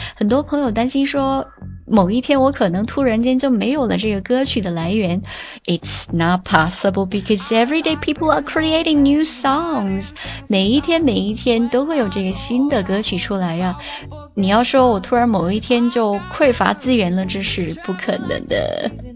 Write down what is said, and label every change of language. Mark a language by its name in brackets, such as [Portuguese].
[Chinese] 很多朋友担心说某一天我可能突然间就没有了这个歌曲的来源。 [English] It's not possible because everyday people are creating new songs. [Chinese] 每一天每一天都会有这个新的歌曲出来啊。你要说我突然某一天就匮乏资源了，这是不可能的。